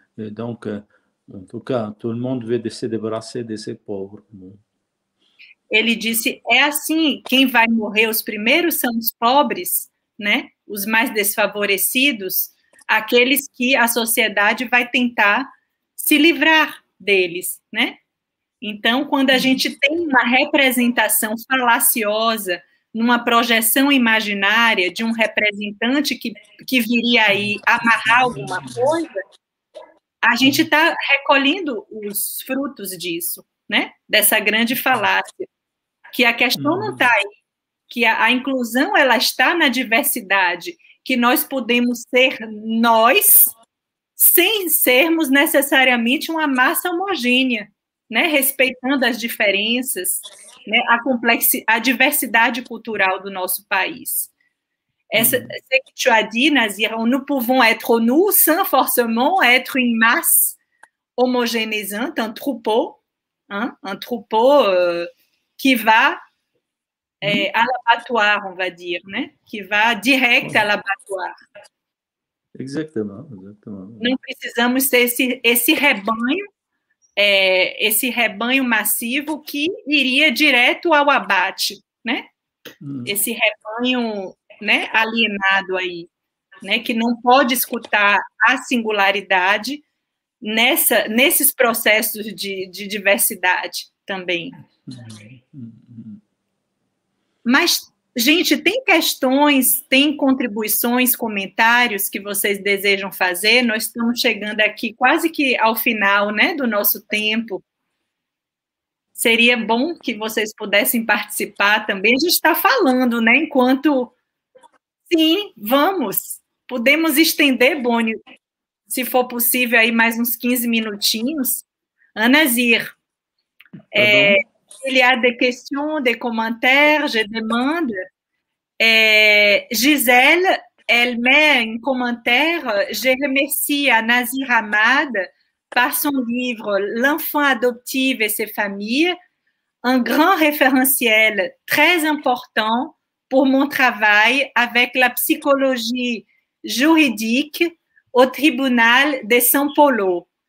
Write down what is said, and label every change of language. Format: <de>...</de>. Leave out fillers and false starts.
<fr>Et donc, en tout cas, tout le monde veut se débarrasser de ces pauvres. Il dit, c'est ainsi, qui va mourir les premiers sont les pauvres, né? Les plus défavorisés, ceux que la société va tenter se livrer deles, né?</fr> <pt>Então, quando a gente tem uma representação falaciosa numa projeção imaginária de um representante que viria aí amarrar alguma coisa, a gente está recolhendo os frutos disso, né? Dessa grande falácia. Que a questão não está aí. Que a inclusão, ela está na diversidade. Que nós podemos ser nós sem sermos necessariamente uma massa homogênea, né? Respeitando as diferenças, né? A diversidade cultural do nosso país. Essa que</pt> <fr>tu as dit, Nazir, nous pouvons être nous sans forcément être une masse homogénéisante, un troupeau, hein? Un troupeau qui va à l'abattoir, on va dire, né? Qui va direct à l'abattoir. Exactement, exactement.</fr> <pt>Não precisamos ser esse rebanho massivo que iria direto ao abate, né? Esse rebanho, né, alienado aí, né, que não pode escutar a singularidade nesses processos de diversidade também. Mas, gente, tem questões, tem contribuições, comentários que vocês desejam fazer? Nós estamos chegando aqui quase que ao final, né, do nosso tempo. Seria bom que vocês pudessem participar também. A gente está falando, né, enquanto... Sim, vamos. Podemos estender, Boni, se for possível, aí mais uns 15 minutinhos. Anazir.</pt> <fr>Il y a des questions, des commentaires, je demande. Gisèle, elle met un commentaire. Je remercie à Nazir Ahmad par son livre « L'enfant adoptif et ses familles », un grand référentiel très important pour mon travail avec la psychologie juridique au tribunal de São Paulo.</fr>